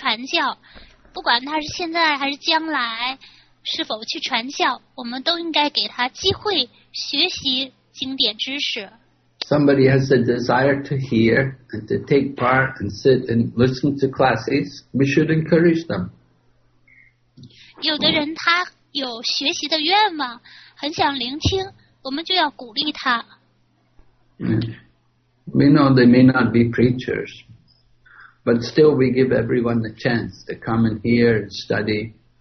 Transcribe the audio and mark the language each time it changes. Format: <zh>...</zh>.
<zh>我们应该给每一个人学习经典的机会，即便他不去传教，不管他是现在还是将来。</zh> <en>Somebody has a desire to hear and to take part and sit and listen to classes, we should encourage them.</en> <zh>有的人他有学习的愿望，很想聆听，我们就要鼓励他。</zh> <en>We know they may not be preachers, but still we give everyone the chance to come and hear and study.</en>